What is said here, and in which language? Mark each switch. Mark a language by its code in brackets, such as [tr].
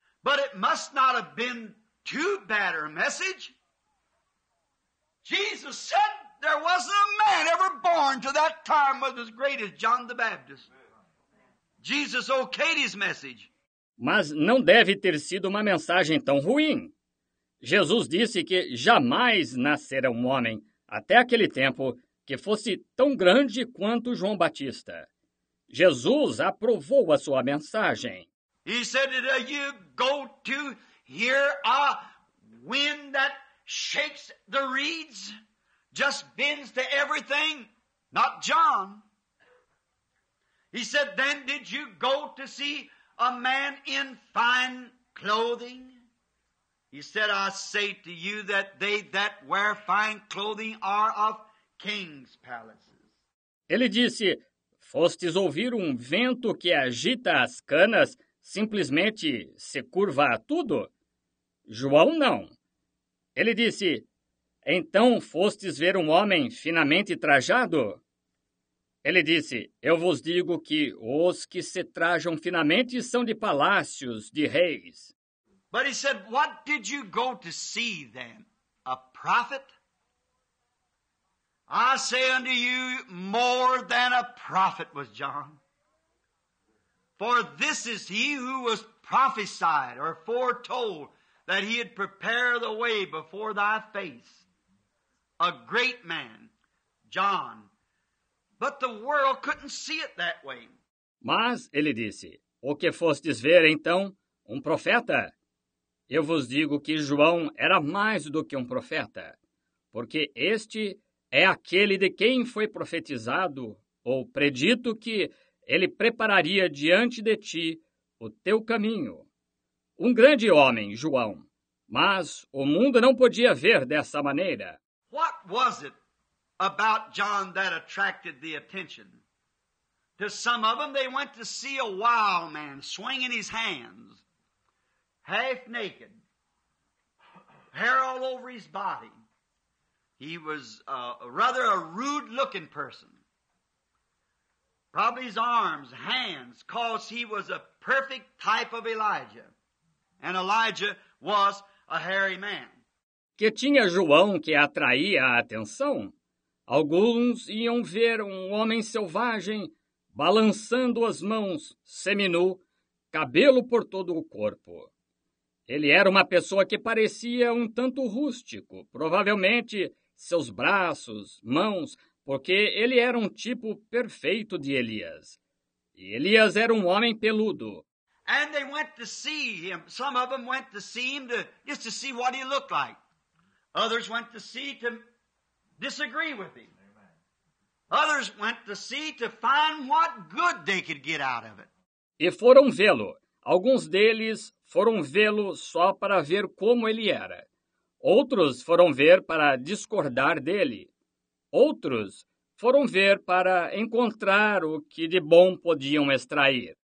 [en] But it must not have been too bad a message. Jesus said there wasn't a man ever born to that time was as great as John the Baptist. Jesus okayed his message. [pt] Mas não deve ter sido uma mensagem tão ruim. Jesus disse que jamais nascera um homem até aquele tempo que fosse tão grande quanto João Batista. Jesus aprovou a sua mensagem. [en] He said, you go to hear a wind that shakes the reeds, just bends to everything, not John. He said, then did you go to see a man in fine clothing? He said, I say to you that they that wear fine clothing are of king's palaces. [pt] Ele disse, fostes ouvir um vento que agita as canas, simplesmente se curva a tudo? João não. Ele disse, então fostes ver um homem finamente trajado? Ele disse, eu vos digo que os que se trajam finamente são de palácios, de reis. [en] But he said, what did you go to see then? A prophet? I say unto you, more than a prophet was John. For this is he who was prophesied or foretold that he had prepared the way before thy face. A great man, John. But the world couldn't see it that way. [pt] Mas, ele disse, o que fostes ver, então, um profeta? Eu vos digo que João era mais do que um profeta, porque este é aquele de quem foi profetizado ou predito que ele prepararia diante de ti o teu caminho. Um grande homem, João, mas o mundo não podia ver dessa maneira. [en] What was it about John that attracted the attention? To some of them, they went to see a wild man swinging his hands, half naked, hair all over his body. He was rather a rude-looking person. Probably his arms, hands, cause he was a perfect type of Elijah. And Elijah was a hairy man. [pt] Que tinha João que atraía a atenção? Alguns iam ver um homem selvagem, balançando as mãos, seminu, cabelo por todo o corpo. Ele era uma pessoa que parecia um tanto rústico, provavelmente seus braços, mãos, porque ele era um tipo perfeito de Elias. E Elias era um homem peludo. [en] And they went to see him. Some of them went to see him just to see what he looked like. Others went to see to disagree with him. Others went to see to find what good they could get out of it. [pt] E foram vê-lo. Alguns deles foram vê-lo só para ver como ele era. Outros foram ver para discordar dele. Outros foram ver para encontrar o que de bom podiam extrair.